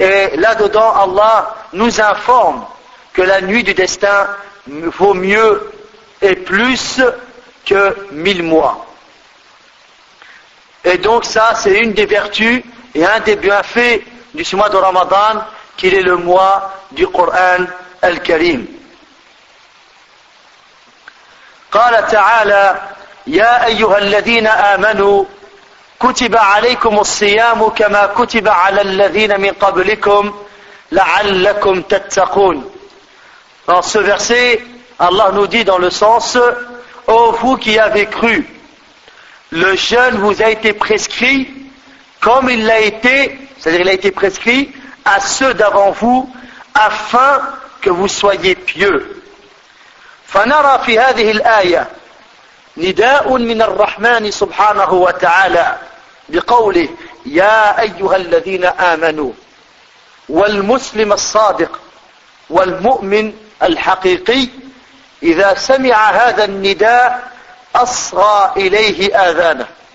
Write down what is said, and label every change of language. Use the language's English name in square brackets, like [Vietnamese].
[French] Et là-dedans, Allah nous informe que la nuit du destin vaut mieux et plus que 1000 mois. Et donc ça, c'est une des vertus et un des bienfaits du mois de Ramadan, qu'il est le mois du Coran Al-Karim. [Arabic] قال تعالى يا أيها الذين آمنوا كتب عليكم الصيام كما كتب على الذين من قبلكم لعلكم تتقون. [French] Dans ce verset, Allah nous dit dans le sens, ô vous qui avez cru, le jeûne vous a été prescrit comme il l'a été, c'est-à-dire il a été prescrit à ceux d'avant vous, afin que vous soyez pieux. [Arabic] فنرى في هذه الآية نداء من الرحمن سبحانه وتعالى بقوله يا أيها الذين آمنوا والمسلم الصادق والمؤمن الحقيقي إذا سمع هذا النداء أصغى إليه آذانه